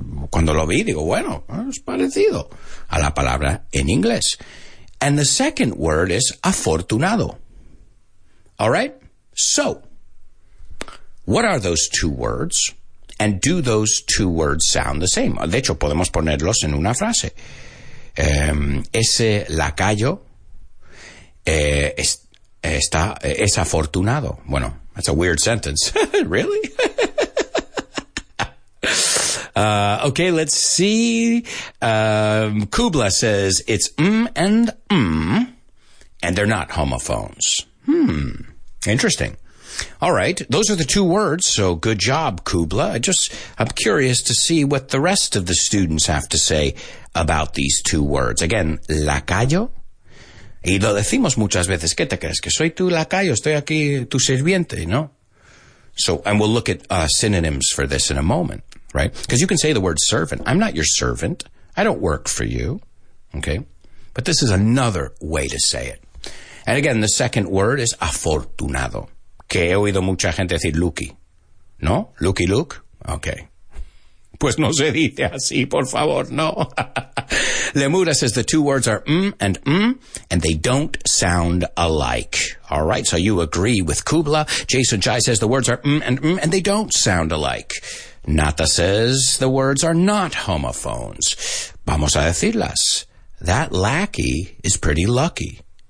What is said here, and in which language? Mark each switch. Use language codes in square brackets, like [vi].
[es] Cuando lo vi, digo, bueno, es parecido a la palabra en inglés. [en] And the second word is afortunado. All right, so what are those two words? And do those two words sound the same? [es] De hecho, podemos ponerlos en una frase. Ese lacayo es afortunado. Bueno, [en] that's a weird sentence. Really? okay, let's see. Kubla says it's and and they're not homophones. Interesting. All right, those are the two words, so good job, Kubla. I'm curious to see what the rest of the students have to say about these two words. Again, lacayo. [es] Y lo decimos muchas veces, ¿qué te crees? Que soy tu lacayo, estoy aquí tu sirviente, ¿no? [en] So, and we'll look at synonyms for this in a moment, right? Because you can say the word servant. I'm not your servant. I don't work for you, okay? But this is another way to say it. And again, the second word is afortunado. [es] Que he oído mucha gente decir Lucky. ¿No? [en] Lucky Luke? Okay. [es] Pues no se dice así, por favor, no. [en] Lemura says the two words are and and they don't sound alike. All right, so you agree with Kubla. Jason Jai says the words are and they don't sound alike. Nata says the words are not homophones. [es] Vamos a decirlas. [en] That lackey is pretty lucky.